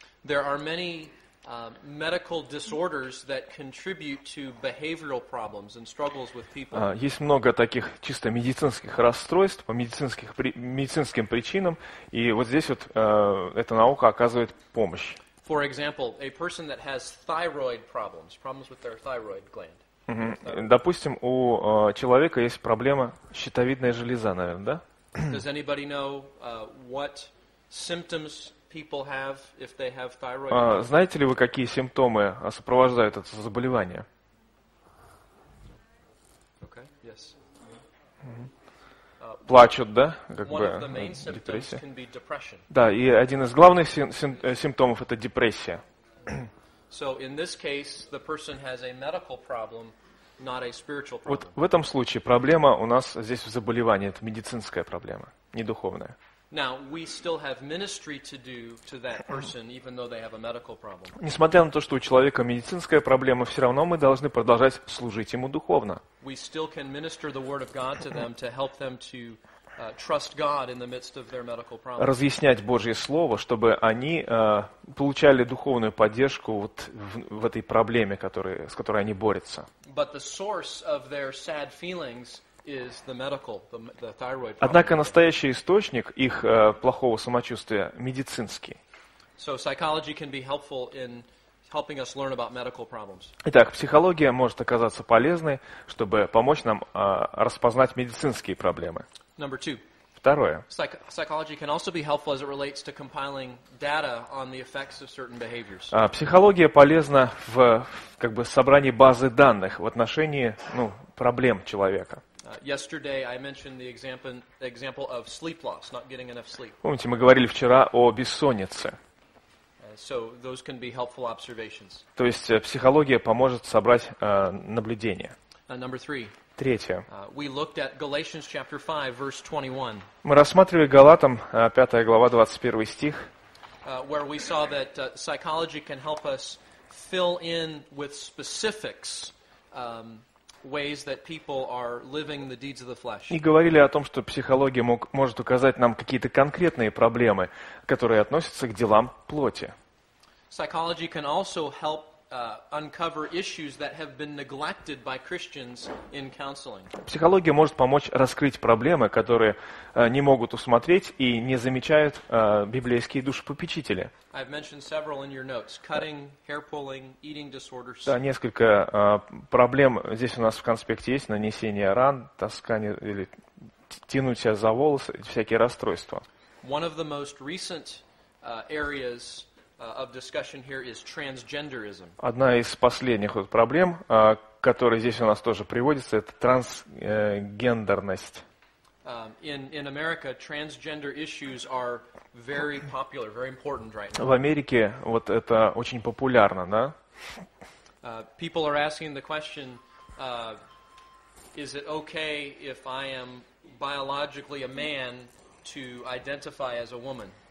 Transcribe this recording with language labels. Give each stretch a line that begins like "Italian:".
English: There are many medical disorders that contribute to behavioral problems and struggles with people.
Russian: Есть много таких чисто медицинских расстройств по медицинским причинам, и вот здесь вот эта наука оказывает помощь.
English: For example, a person that has thyroid problems, problems with their thyroid gland. Mm-hmm.
Russian: Допустим, у человека есть проблема щитовидная железа, наверное, да?
English: Does anybody know what symptoms people have if they have thyroid?
Russian: Знаете ли вы, какие симптомы сопровождают это заболевание?
English: Okay. Yes.
Russian: Плачут, да, как
English: One
Russian: бы,
English: of the main
Russian: депрессия.
English: Symptoms can be depression.
Russian: Да, и один из главных симптомов – это депрессия.
English: So in this case, the person has a medical problem, not a spiritual problem.
Russian: Вот в этом случае проблема у нас здесь в заболевании, это медицинская проблема, не духовная.
English: Now we still have ministry to do to that person, even though they have a medical problem.
Russian: Несмотря на то, что у человека медицинская проблема, все равно мы должны продолжать служить ему духовно.
English: We still can minister the word of God to them to help them to trust God in the midst of their medical problems.
Russian: Разъяснять Божье слово, чтобы они получали духовную поддержку вот в этой проблеме, с которой они борются.
English: But the source of their sad feelings. Is the medical, the thyroid problem.
Russian: Однако настоящий источник их плохого самочувствия медицинский.
English: So psychology can be helpful in helping us learn about medical problems.
Russian: Итак, психология может оказаться полезной, чтобы помочь нам распознать медицинские проблемы.
English: Number two.
Russian: Второе.
English: Psychology can also be helpful as it relates to compiling data on the effects of certain behaviors.
Russian: Психология полезна в как бы собрании базы данных в отношении, ну, проблем человека.
English: Yesterday I mentioned the example of sleep loss, not getting enough sleep.
Russian: Помните, мы говорили вчера о бессоннице.
English: So those can be helpful observations.
Russian: То есть психология поможет собрать наблюдения.
English: Number three.
Russian: Третье.
English: We looked at Galatians chapter 5, verse 21.
Russian: Мы рассматривали Галатам, 5 глава, 21 стих.
English: Where we saw that psychology can help us fill in with specifics ways that people are living the deeds of the flesh.
Russian: И говорили о том, что психология может указать нам какие-то конкретные проблемы, которые относятся к делам плоти.
English: Psychology can also help uncover issues that have been neglected by Christians in counseling.
Russian: Психология может помочь раскрыть проблемы, которые не могут усмотреть и не замечают библейские душепопечители.
English: I've mentioned several in your notes: cutting, hair pulling, eating disorders.
Russian: Да, несколько проблем здесь у нас в конспекте есть: нанесение ран, таскание или тянуть себя за волосы, всякие расстройства.
English: One of the most recent areas of discussion here is transgenderism.
Russian: Одна из последних вот проблем, которая здесь у нас тоже приводится, это трансгендерность.
English: In America, transgender issues are very popular, very important right now.
Russian: В Америке вот это очень популярно, да?
English: People are asking the question, is it okay if I am biologically a man to identify as a woman?